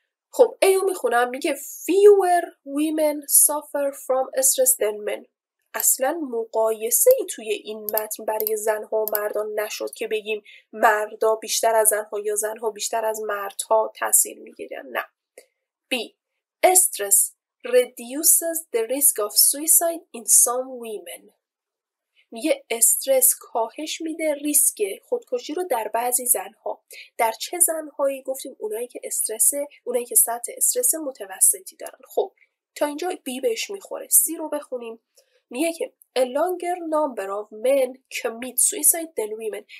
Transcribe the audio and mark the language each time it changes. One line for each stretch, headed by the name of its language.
Persian: خب ایو میخونم، میگه
English: fewer women suffer from stress than men.
Persian: اصلا مقایسه ای توی این متن برای زنها و مردان نشد که بگیم مردا بیشتر از زنها یا زنها بیشتر از مردها تاثیر میگیرن، نه.
English: B stress reduces the risk of suicide in some women.
Persian: میگه استرس کاهش میده ریسک خودکشی رو در بعضی زنها. در چه زنهایی؟ گفتیم اونایی که سطح استرس متوسطی دارن. خب تا اینجا بی بهش میخوره. سی رو بخونیم. میگه که
English: a longer number of men commit suicide than women.